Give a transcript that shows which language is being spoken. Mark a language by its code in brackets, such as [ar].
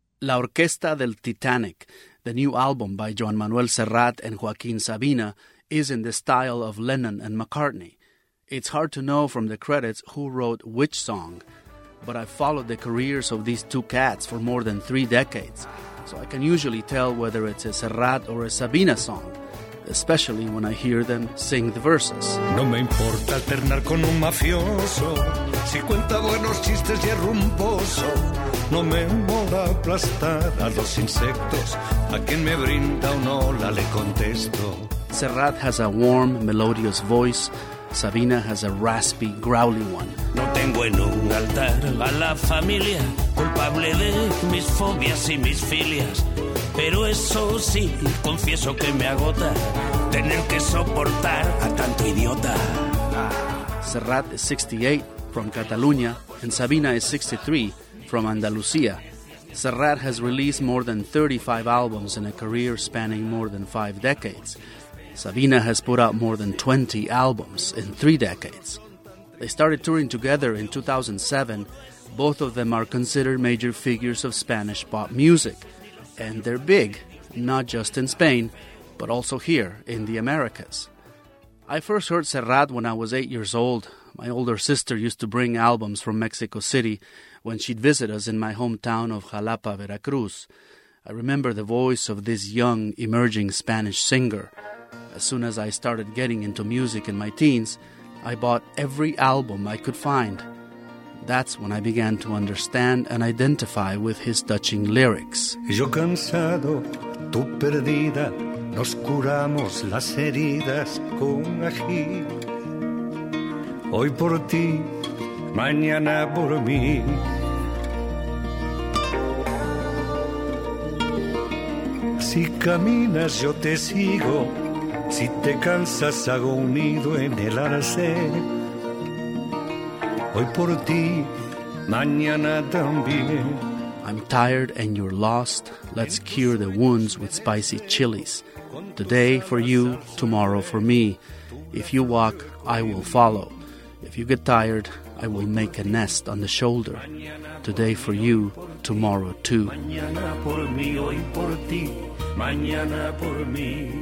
[en] La Orquesta del Titanic, the new album by Joan Manuel Serrat and Joaquin Sabina, is in the style of Lennon and McCartney. It's hard to know from the credits who wrote which song, but I've followed the careers of these two cats for more than three decades, so I can usually tell whether it's a Serrat or a Sabina song, especially when I hear them sing the verses. [es] No me importa alternar con un mafioso si cuenta buenos chistes y es rumboso. No me mola aplastar a los insectos a quien me brinda un hola le contesto. [en] Serrat has a warm, melodious voice. Sabina has a raspy, growly one. [es] No tengo en un altar a la familia, culpable de mis fobias y mis filias. Pero eso sí, confieso que me agota tener que soportar a tanto idiota. [en] Serrat is 68, from Catalonia, and Sabina is 63, from Andalusia. Serrat has released more than 35 albums in a career spanning more than five decades. Sabina has put out more than 20 albums in three decades. They started touring together in 2007. Both of them are considered major figures of Spanish pop music. And they're big, not just in Spain, but also here in the Americas. I first heard Serrat when I was 8 years old. My older sister used to bring albums from Mexico City when she'd visit us in my hometown of Jalapa, Veracruz. I remember the voice of this young, emerging Spanish singer. As soon as I started getting into music in my teens, I bought every album I could find. That's when I began to understand and identify with his touching lyrics. [es] Yo cansado, tú perdida, nos curamos las heridas con ají. Hoy por ti, mañana por mí. Si caminas, yo te sigo. Si te cansas, hago un nido en el arcén. Hoy por ti, mañana también. [en] I'm tired and you're lost. Let's cure the wounds with spicy chilies. Today for you, tomorrow for me. If you walk, I will follow. If you get tired, I will make a nest on the shoulder. Today for you, tomorrow too. [es] Mañana por mí, hoy por ti, mañana por mí.